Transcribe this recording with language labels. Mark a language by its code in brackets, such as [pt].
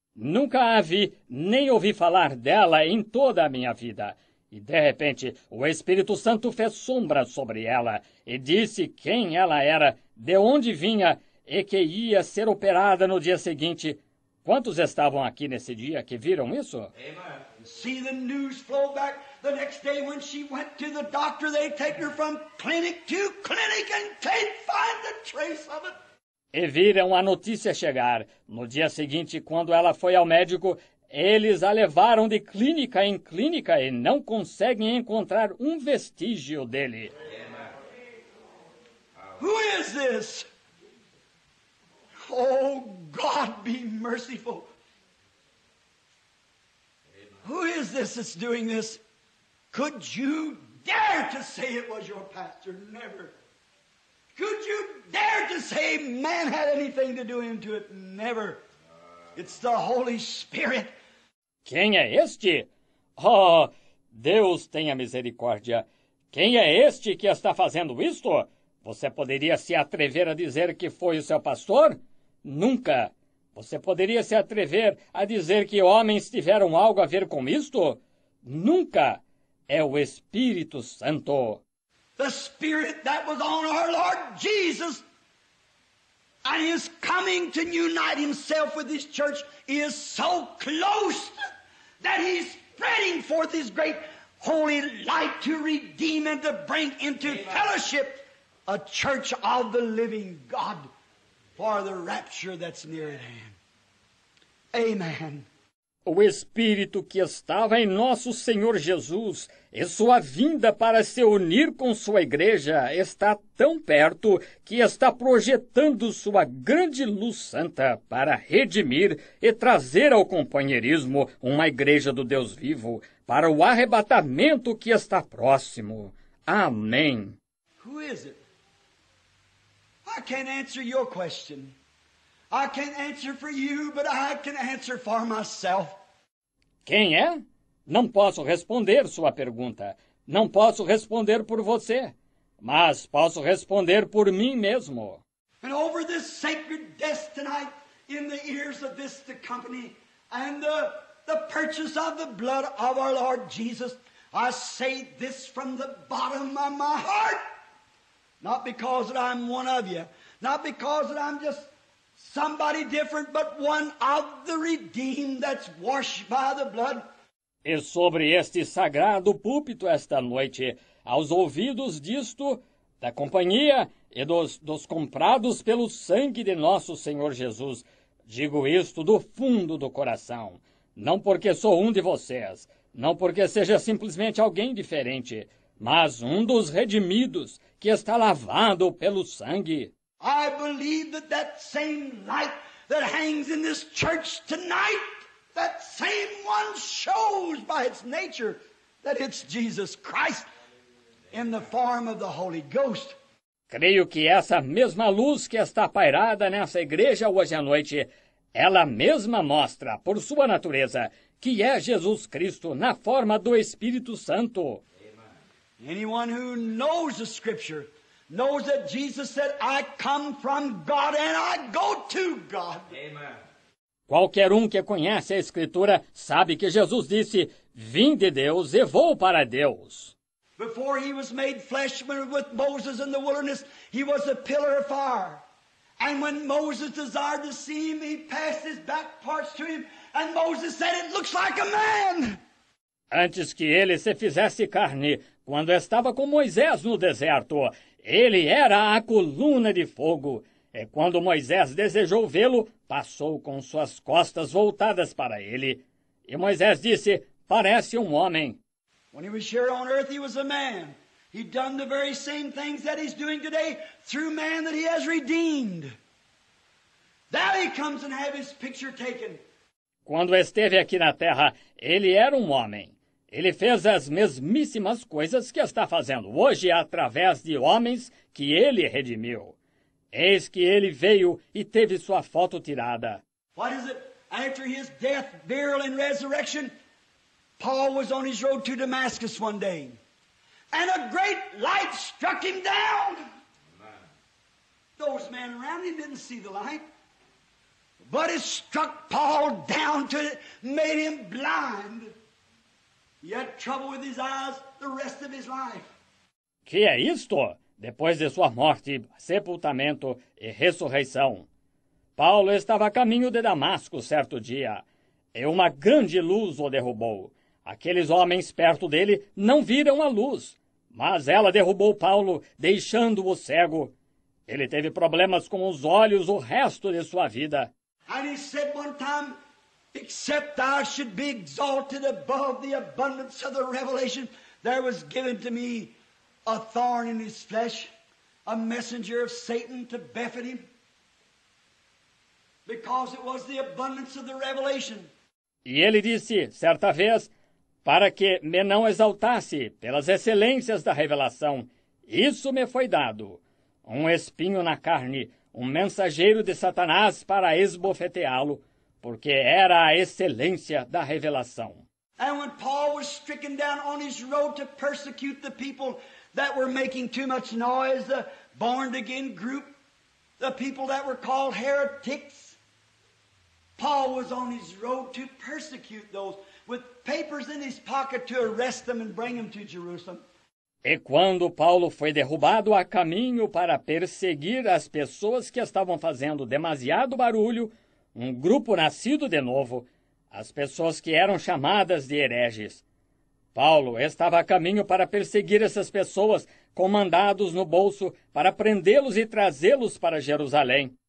[pt] Nunca a vi, nem ouvi falar dela em toda a minha vida. E de repente, o Espírito Santo fez sombra sobre ela e disse quem ela era, de onde vinha e que ia ser operada no dia seguinte. Quantos estavam aqui nesse dia que viram isso? [en] Amen. See the news flow back the next day when she went to the doctor, they take her from clinic to clinic and can't find the trace of it. [pt] E viram a notícia chegar. No dia seguinte, quando ela foi ao médico, eles a levaram de clínica em clínica e não conseguem encontrar um vestígio dele. [en] Who is this? Oh, God, be merciful. Who is this that's doing this? Could you dare to say it was your pastor? Never. Could you dare to say man had anything to do into it? Never. It's the Holy Spirit. [pt] Quem é este? Oh, Deus tenha misericórdia. Quem é este que está fazendo isto? Você poderia se atrever a dizer que foi o seu pastor? Nunca. Você poderia se atrever a dizer que homens tiveram algo a ver com isto? Nunca. É o Espírito Santo. [en] The Spirit that was on our Lord Jesus and is coming to unite himself with his church is so close that he's spreading forth his great holy light to redeem and to bring into fellowship a church of the living God. For the rapture that's near at hand. Amen. [pt] O Espírito que estava em nosso Senhor Jesus e sua vinda para se unir com sua igreja está tão perto que está projetando sua grande luz santa para redimir e trazer ao companheirismo uma igreja do Deus vivo para o arrebatamento que está próximo. Amém. [en] Who is it? I can't answer your question. I can't answer for you, but I can answer for myself. [pt] Quem é? Não posso responder sua pergunta. Não posso responder por você, mas posso responder por mim mesmo. [en] And over this sacred desk tonight, in the ears of this the company, and the purchase of the blood of our Lord Jesus, I say this from the bottom of my heart. Not because that I'm one of you, not because that I'm just somebody different, but one of the redeemed that's washed by the blood. [pt] E sobre este sagrado púlpito esta noite, aos ouvidos disto, da companhia e dos comprados pelo sangue de nosso Senhor Jesus, Digo isto do fundo do coração, não porque sou um de vocês, não porque seja simplesmente alguém diferente, mas um dos redimidos que está lavado pelo sangue. [en] I believe that that same light that hangs in this church tonight, that same one shows by its nature that it's Jesus Christ in the form of the Holy Ghost. [pt] Creio que essa mesma luz que está pairada nessa igreja hoje à noite, ela mesma mostra, por sua natureza, que é Jesus Cristo na forma do Espírito Santo. [en] Anyone who knows the scripture knows that Jesus said, I come from God and I go to God. [pt] Qualquer um que conhece a escritura sabe que Jesus disse, vim de Deus e vou para Deus. [en] Before he was made flesh with Moses in the wilderness, he was a pillar of fire. And when Moses desired to see him, he passed his back parts to him. And Moses said, it looks like a man. [pt] Antes que ele se fizesse carne, quando estava com Moisés no deserto, ele era a coluna de fogo. E quando Moisés desejou vê-lo, passou com suas costas voltadas para ele. E Moisés disse, parece um homem. [en] When he was here on earth, he was a man. He'd done the very same things that he's doing today through man that he has redeemed. That he comes and have his picture taken. [pt] Quando esteve aqui na terra, ele era um homem. Ele fez as mesmíssimas coisas que está fazendo hoje através de homens que ele redimiu. Eis que ele veio e teve sua foto tirada. [en] What is it? After his death, burial, and resurrection, Paul was on his road to Damascus one day, and a great light struck him down. Amen. Those men around him didn't see the light, but it struck Paul down to it, made him blind. He had trouble with his eyes the rest of his life. [pt] Que é isto? Depois de sua morte, sepultamento e ressurreição, Paulo estava a caminho de Damasco certo dia, e uma grande luz o derrubou. Aqueles homens perto dele não viram a luz, mas ela derrubou Paulo, deixando-o cego. Ele teve problemas com os olhos o resto de sua vida. [en] And he said one time, except I should be exalted above the abundance of the revelation, there was given to me a thorn in his flesh, a messenger of Satan to buffet him, because it was the abundance of the revelation. [pt] E ele disse, certa vez, para que me não exaltasse pelas excelências da revelação, isso me foi dado. Um espinho na carne, um mensageiro de Satanás para esbofeteá-lo, porque era a excelência da revelação. [en] And when Paul was stricken down on his road to persecute the people that were making too much noise, the born-again group, the people that were called heretics, Paul was on his road to persecute those with papers in his pocket to arrest them and bring them to Jerusalem. [pt] E quando Paulo foi derrubado a caminho para perseguir as pessoas que estavam fazendo demasiado barulho, um grupo nascido de novo, as pessoas que eram chamadas de hereges. Paulo estava a caminho para perseguir essas pessoas com mandados no bolso para prendê-los e trazê-los para Jerusalém.